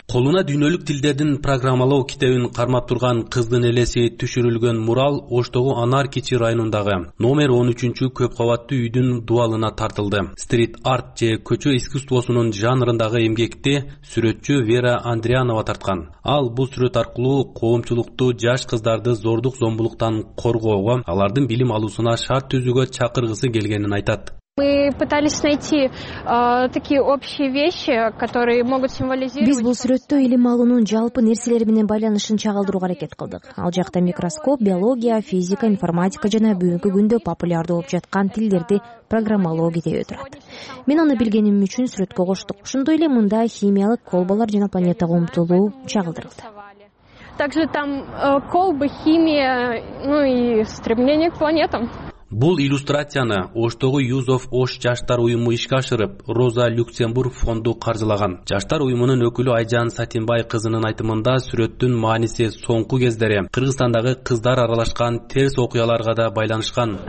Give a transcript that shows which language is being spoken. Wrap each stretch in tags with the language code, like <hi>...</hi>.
<ky>Колуна дүйнөлүк тилдердин программалоо китебин кармап турган кыздын элеси түшүрүлгөн мурал Оштогу Анар Кичи районундагы номер 13 көп кабаттуу үйдүн дубалына тартылды. Стрит арт же көчө искусствосунун жанрындагы эмгекти сүрөтчү Вера Андрианова тарткан. Ал бул сүрөт аркылуу коомчулукту, жаш кыздарды зордук зомбулуктан коргоого, алардын билим алуусуна шарт түзүүгө чакыргысы келгенин айтат.</ky> <ru>Мы пытались найти такие общие вещи, которые могут символизировать.</ru> <ky>Биз бул сүрөттө илим алуунун жалпы нерселери менен байланышын чагылдырууга аракет кылдык. Ал жакта микроскоп, биология, физика, информатика жана бүгүнкү күндө популярдуу болуп жаткан тилдерди программалоо китеби турат. Мен аны билгеним үчүн сүрөткө коштук. Ошондой эле мында химиялык колбалар жана планетага умтулуу чагылдырылды.</ky> <ru>Также там колбы, химия, ну и стремление к планетам.</ru> <ky>Бул иллюстрацияны Оштогу Youth of Osh жаштар уюму ишке ашырып, Роза Люксембург фонду каржылаган. Жаштар уюмунун өкүлү Айжан Сатинбай кызынын айтымында, сүрөттүн мааниси соңку кездери Кыргызстандагы кыздар аралашкан терс окуяларга да байланышкан.</ky>